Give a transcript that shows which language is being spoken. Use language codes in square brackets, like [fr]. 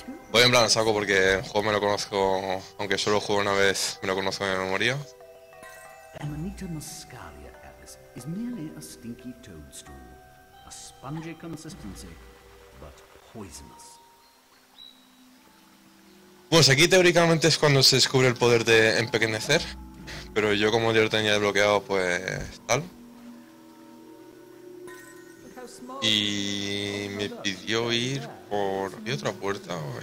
[es] Voy en plan a saco porque el juego me lo conozco, aunque solo juego una vez, me lo conozco de memoria. [en] Amanita muscaria, Alice, is merely a stinky toadstool, a spongy consistency, but poisonous. [es] Pues aquí teóricamente es cuando se descubre el poder de empequeñecer, pero yo como ya lo tenía desbloqueado, pues tal. Y me pidió ir por... ¿Había otra puerta?